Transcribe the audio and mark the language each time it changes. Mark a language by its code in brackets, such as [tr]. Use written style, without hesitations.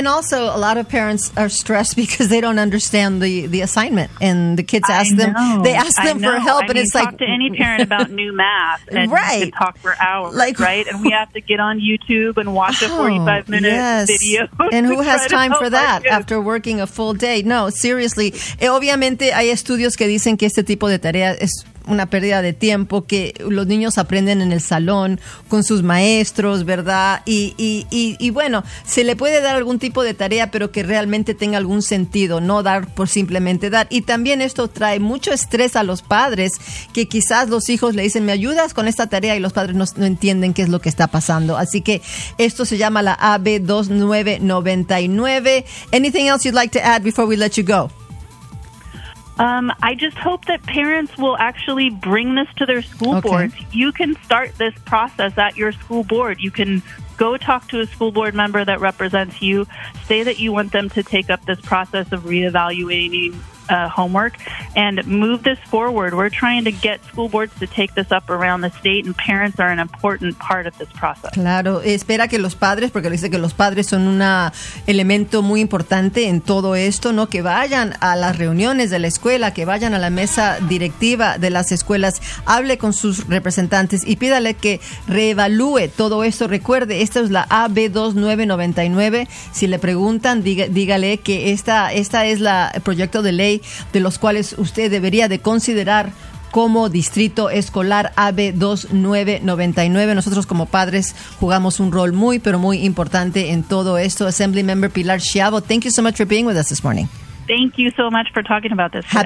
[en] And also, a lot of parents are stressed because they don't understand the assignment, and the kids ask them, they ask them for help, I mean, it's like talk to any parent about new math, and right. You can talk for hours, like, right? And we have to get on YouTube and watch a 45-minute yes. video. And who has time for that after working a full day? No, seriously. [es] Obviamente, hay estudios que dicen que este tipo de tarea es una pérdida de tiempo, que los niños aprenden en el salón con sus maestros, ¿verdad? Y bueno, se le puede dar algún tipo de tarea, pero que realmente tenga algún sentido, no dar por simplemente dar. Y también esto trae mucho estrés a los padres, que quizás los hijos le dicen, ¿me ayudas con esta tarea? Y los padres no entienden qué es lo que está pasando. Así que esto se llama la AB2999. [en] Anything else you'd like to add before we let you go? I just hope that parents will actually bring this to their school okay. board. You can start this process at your school board. You can go talk to a school board member that represents you, say that you want them to take up this process of reevaluating homework, and move this forward. We're trying to get school boards to take this up around the state, and parents are an important part of this process. [es] Claro, espera que los padres, porque dice que los padres son un elemento muy importante en todo esto, ¿no? Que vayan a las reuniones de la escuela, que vayan a la mesa directiva de las escuelas, hable con sus representantes y pídale que reevalúe todo esto. Recuerde, esta es la AB2999. Si le preguntan, dígale que esta es la proyecto de ley de los cuales usted debería de considerar como distrito escolar AB2999. Nosotros como padres jugamos un rol muy, pero muy importante en todo esto. [en] Assemblymember Pilar Schiavo, thank you so much for being with us this morning. Thank you so much for talking about this today.